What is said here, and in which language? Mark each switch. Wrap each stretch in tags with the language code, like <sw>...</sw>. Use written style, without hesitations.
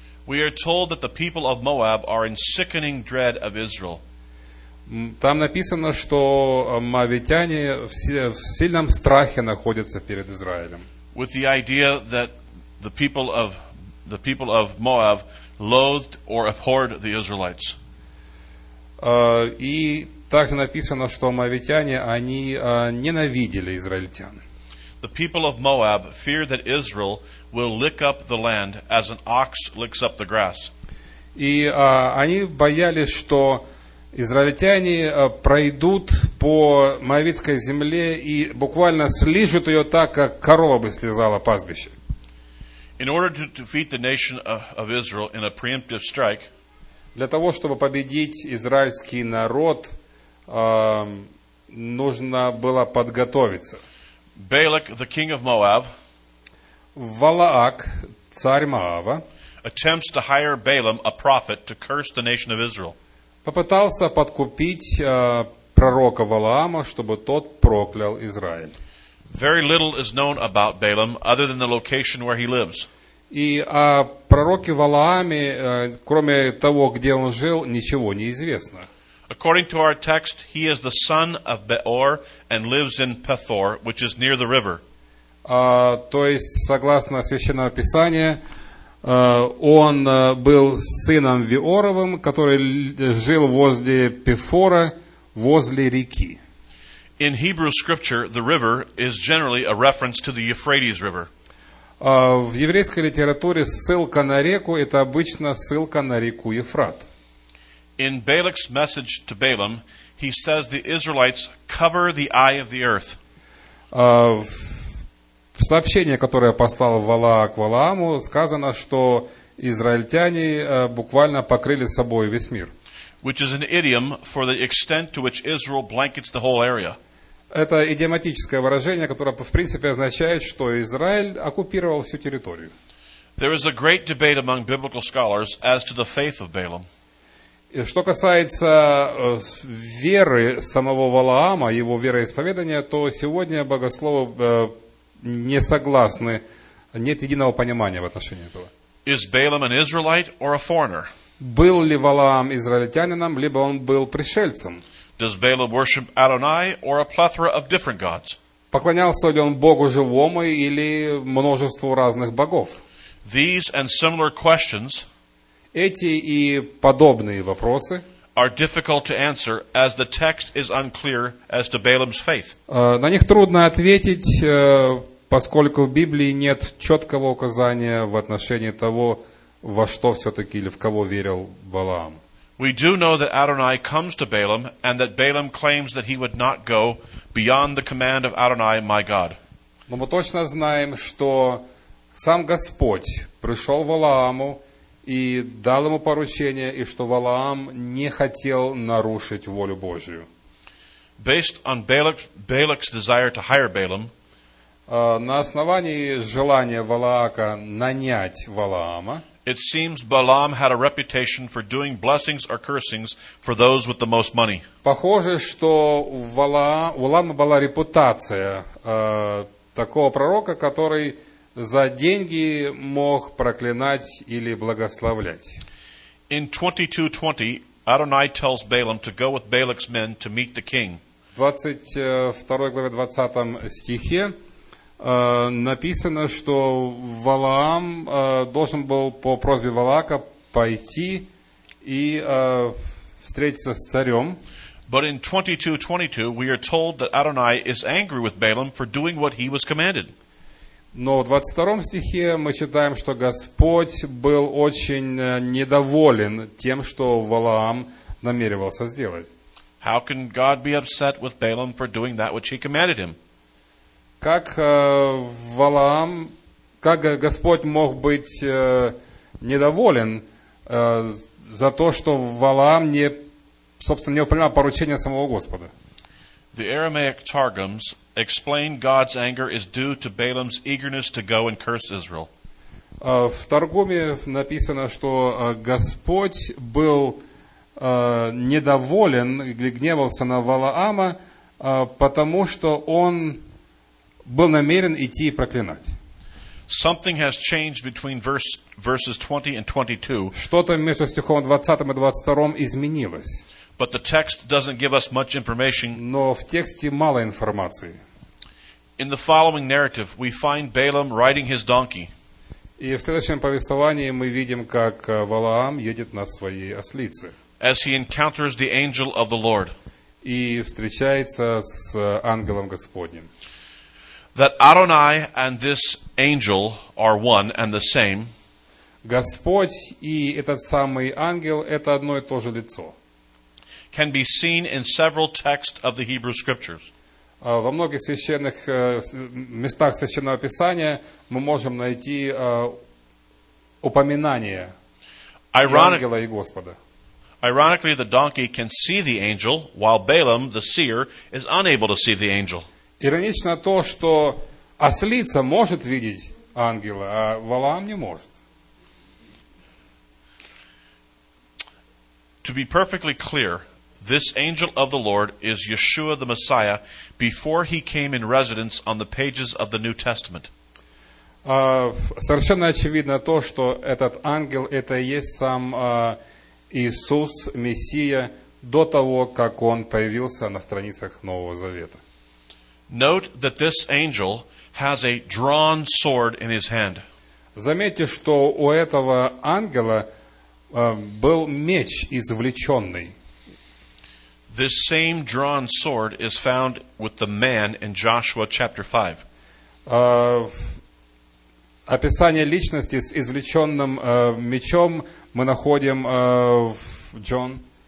<en>We are told that the people of Moab are in sickening dread of Israel.</en> <ru>Там написано, что моавитяне в сильном страхе находятся перед Израилем.</ru> <en>With the idea that the people of Moab loathed or abhorred the Israelites.</en> <ru>И также написано, что моавитяне, они ненавидели израильтян.</ru> <en>The people of Moab fear that Israel will lick up the land as an ox licks up the grass.</en> <ru>И они боялись, что израильтяне пройдут по моавитской земле и буквально слижут ее так, как корова бы слезала пастбище.</ru> <en>In order to defeat the nation of Israel in a preemptive strike,</en> <ru>для того, чтобы победить израильский народ, нужно было подготовиться.</ru> <en>Balak, the king of Moab,</en> <ru>Валаак, царь Моава,</ru> <en>attempts to hire Balaam, a prophet, to curse the nation of Israel.</en> <ru>Попытался подкупить пророка Валаама, чтобы тот проклял Израиль.</ru> <en>Very little is known about Balaam other than the location where he lives.</en> <ru>И о пророке Валааме, кроме того, где он жил, ничего не известно.</ru> <en>According to our text, he is the son of Beor and lives in Pethor, which is near the river.</en> <ru>То есть, согласно Священному Писанию, он был сыном Виоровым, который жил возле Пефора, возле реки.</ru> <en>In Hebrew scripture, the river is generally a reference to the Euphrates River.</en> <ru>В еврейской литературе ссылка на реку – это обычно ссылка на реку Евфрат.</ru> <en>In Balak's message to Balaam, he says the Israelites cover the eye of the earth.</en> <ru>В сообщении, которое послал Валаак Валааму, сказано, что израильтяне буквально покрыли собой весь мир.</ru> <en>Which is an idiom for the extent to which Israel blankets the whole area.</en> <ru>Это идиоматическое выражение, которое, в принципе, означает, что Израиль оккупировал всю территорию.</ru> <en>There is a great debate among biblical scholars as to the faith of Balaam.</en> <ru>Что касается веры самого Валаама, его вероисповедания, то сегодня богословы не согласны, нет единого понимания в отношении этого.</ru> <en>Is Balaam an Israelite or a foreigner?</en> <ru>Был ли Валаам израильтянином, либо он был пришельцем?</ru> <en>Does Balaam worship Adonai or a plethora of different gods?</en> <ru>Поклонялся ли он Богу живому или множеству разных богов?</ru> <en>These and similar questions</en> <ru>эти и подобные вопросы</ru> <en>are difficult to answer as the text is unclear as to Balaam's faith.</en> <ru>На них трудно ответить, поскольку в Библии нет четкого указания в отношении того, во что все-таки или в кого верил Валаам.</ru> <en>We do know that Adonai comes to Balaam and that Balaam claims that he would not go beyond the command of Adonai, my God.</en> <ru>Но мы точно знаем, что сам Господь пришел Валааму и дал ему поручение, и что Валаам не хотел нарушить волю Божию.</ru> <en>Based on Balak's desire to hire Balaam,</en> <ru>на основании желания Валаака нанять Валаама,</ru> <en>it seems Balaam had a reputation for doing blessings or cursings for those with the most money.</en> <ru>Похоже, что у Валаама была репутация такого пророка, который за деньги мог проклинать или благословлять.</ru> <en>In 22:20, Adonai tells Balaam to go with Balak's men to meet the king.</en> <ru>В 22 главе 20 стихе написано, что Валаам должен был по просьбе Валаака пойти и встретиться с царем.</ru> <en>But in 22:22 we are told that Adonai is angry with Balaam for doing what he was commanded.</en> <ru>Но в 22 стихе мы читаем, что Господь был очень недоволен тем, что Валаам намеревался сделать.</ru> <en>How can God be upset with Balaam for doing that which he commanded him?</en> <ru>Как Валаам, как Господь мог быть недоволен за то, что Валаам не, собственно, не выполнял поручение самого Господа?</ru> <en>The Aramaic Targums explain God's anger is due to Balaam's eagerness to go and curse Israel.</en> <ru>В Таргуме написано, что Господь был недоволен, гневался на Валаама, потому что он был намерен идти и проклинать.</ru> <en>Something has changed between verses 20 and 22.</en> <ru>Что-то между стихом 20 и 22 изменилось.</ru> <en>But the text doesn't give us much information.</en> <ru>Но в тексте мало информации.</ru> <en>In the following narrative, we find Balaam riding his donkey.</en> <ru>И в следующем повествовании мы видим, как Валаам едет на своей ослице.</ru> <en>As he encounters the angel of the Lord.</en> <ru>И встречается с ангелом Господним.</ru> <en>That Adonai and this angel are one and the same.</en> <ru>Господь и этот самый ангел – это одно и то же лицо.</ru> <en>Can be seen in several texts of the Hebrew Scriptures.</en> <ru>Во многих священных местах Священного Писания мы можем найти упоминание ангела и Господа.</ru> <en>Ironically, the donkey can see the angel, while Balaam, the seer, is unable to see the angel.</en> <ru>Иронично то, что ослица может видеть ангела, а Валаам не может.</ru> <en>To be perfectly clear, this angel of the Lord is Yeshua the Messiah before he came in residence on the pages of the New Testament.</en> <ru>Совершенно очевидно то, что этот ангел это и есть сам Иисус, Мессия, до того, как он появился на страницах Нового Завета.</ru> <en>Note that this angel has a drawn sword in his hand.</en> <ru>Заметьте, что у этого ангела был меч извлеченный.</ru> <en>This same drawn sword is found with the man in Joshua chapter 5.</en> <ru>Описание личности с извлеченным мечом мы находим в Джон.</ru>